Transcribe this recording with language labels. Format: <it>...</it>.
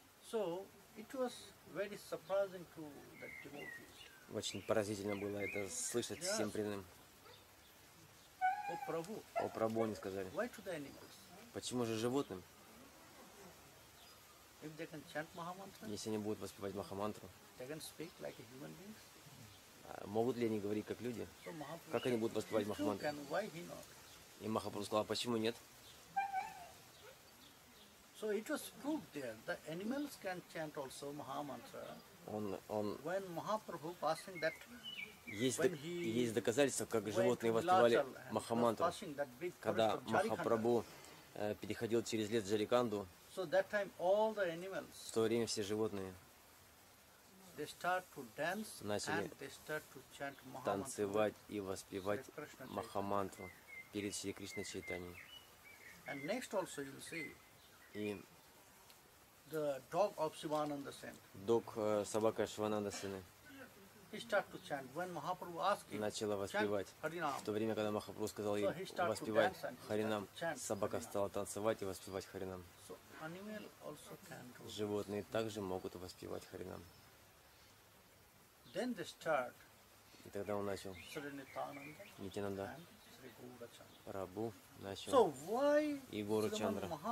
<en>So, it was very surprising to the devotees.</en> <ru>Очень поразительно было это слышать yes. Всем преданным. О Прабху, они сказали.</ru> <en>Why to the animals?</en> <ru>Почему же животным?</ru> <en>If they can chant Mahamantra,</en> <ru>если они будут воспевать Махамантру,</ru> <en>they can speak like human beings.</en> <ru>А могут ли они говорить как люди?</ru> <en>So,</en> <ru>как они будут воспевать Махамантру?</ru> <en>Can, why he not?</en> <ru>И Махапрабху сказал, почему нет?</ru> <en>So it was proved there that animals can chant also Mahamantra.</en> <ru>Он</ru> <en>when Mahaprabhu passing that,</en> <ru>есть доказательства, как животные воспевали Махамантру, когда Махапрабху переходил через лес Джариканду.</ru> <en>So that time all the animals,</en> <ru>в то время все животные,</ru> <en>they start to dance,</en> <ru>начали</ru> <en>and they start to chant</en> <ru>танцевать и воспевать Махамантру перед Шри Кришной Чайтаньей.</ru> <en>And next also you'll see,</en> <ru>и</ru> <en>the dog of Sivananda Sen,</en> <ru>dog собака Шивананда Сены,</ru> <en>he start to chant when Mahaprabhu asked him,</en> <ru>начала воспевать.</ru> <en>Chant,</en> <ru>в то время, когда Махапрабху сказал ей</ru> <en>so</en> <ru>воспевать Харинам,</ru> <en>chant,</en> <ru>собака</ru> <en>Harinam.</en> <ru>Стала танцевать и воспевать Харинам.</ru> <en>So, animal also can do that.</en> <ru>Животные также могут воспевать Харинам.</ru> <en>Then they start.</en> <ru>И тогда он начал Нитянанда Прабу начал и Гуру Чандра.</ru>